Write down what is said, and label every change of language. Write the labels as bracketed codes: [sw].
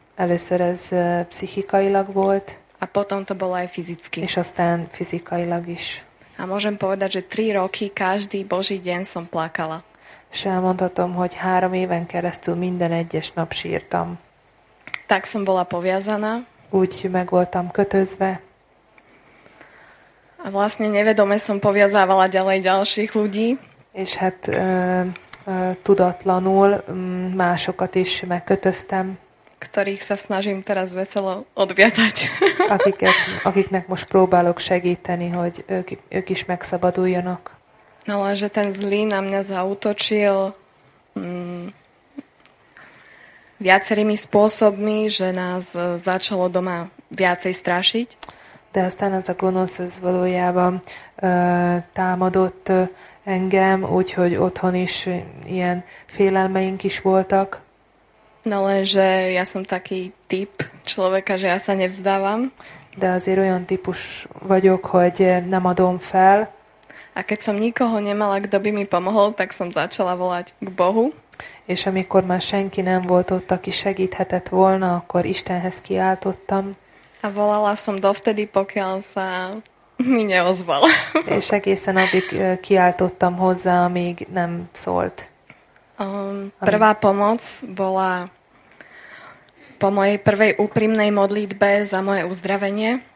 [hu] Először ez pszichikailag volt. [sk] A potom to bolo aj fyzicky. [hu] És aztán fyzikailag is. [sk] A môžem povedať, že 3 roky každý Boží deň som plakala. [hu] Sem mondhatom, hogy 3 éven keresztül minden egyes nap sírtam. [sk] Tak som bola poviazaná. [hu] Úgy meg voltam kötözve. [sk] A vlastne nevedome som poviazávala ďalej ďalších ľudí. [hu] És hát tudatlanul másokat is megkötöztem. [sk] Ktorých sa snažím teraz veselo odviazať. [hu] Akiknek most próbálok segíteni, hogy ők is megszabaduljanak. [sk] No, ale že ten zlý na mňa zaútočil viacerými spôsobmi, že nás začalo doma viacej strašiť. [hu] De aztán az a gonosz ez valójában támadott engem, úgyhogy otthon is ilyen félelmeink is voltak. [sk] No, lenže ja som taký typ človeka, že ja sa nevzdávam. [hu] De azért olyan típus vagyok, hogy nem adom fel. [sk] A keď som nikoho nemala, kto by mi pomohol, tak som začala volať k Bohu. [hu] És amikor már senki nem volt ott, aki segíthetett volna, akkor Istenhez kiáltottam. [sk] A volala som dovtedy, pokiaľ sa mi neozval. [hu] És egészen addig kiáltottam hozzá, amíg nem szólt. [sk] Prvá pomoc bola po mojej prvej úprimnej modlitbe za moje uzdravenie.